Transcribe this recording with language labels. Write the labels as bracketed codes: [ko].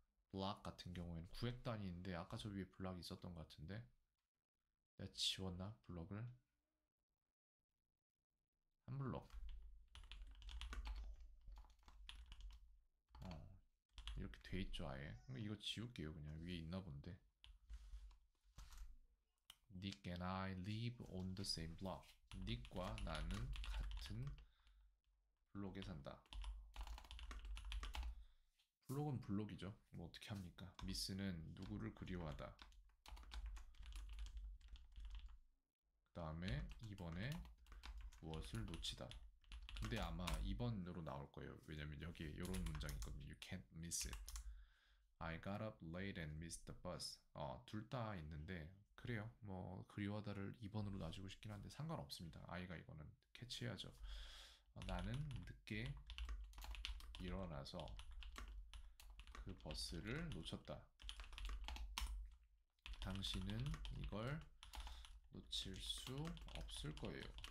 [ko] Block 같은 경우에는 구획 단위인데 아까 저 위에 블록이 있었던 것 같은데 내가 지웠나? 블록을 한 블록 이렇게 돼 있죠 아예. 이거 지울게요. 그냥 위에 있나 본데. [en] Nick and I live on the same block. [ko] Nick과 나는 같은 블록에 산다. 블록은 블록이죠. 뭐 어떻게 합니까? 미스는 누구를 그리워하다. 그 다음에 이번에 무엇을 놓치다. 근데 아마 2번으로 나올 거예요. 왜냐면 여기에 이런 문장이 있거든요. [en] You can't miss it. I got up late and missed the bus. [ko] 둘 다 있는데 그래요. 뭐 그리워하다를 2번으로 놔주고 싶긴 한데 상관없습니다. 아이가 이거는 캐치해야죠. 나는 늦게 일어나서 그 버스를 놓쳤다. 당신은 이걸 놓칠 수 없을 거예요.